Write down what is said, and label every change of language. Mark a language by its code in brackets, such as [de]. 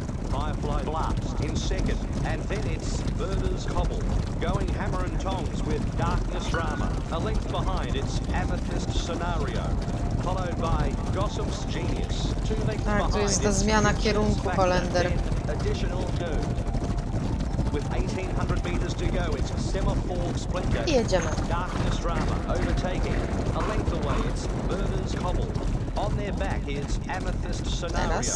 [en] Firefly Blast in second, and then it's Berners Cobble going hammer and tongs with Darkness Drama. A length behind it's Amethyst Scenario, followed by Gossam's Genius. Two lengths behind. [pl] Tak, to jest ta zmiana kierunku, Holender. [en] With 1800 meters to go, it's Semaphore Splendor. [pl] I jedziemy. [en] Darkness Drama overtaking. A length away, it's Berners Cobble. On their back is Amethyst Scenario.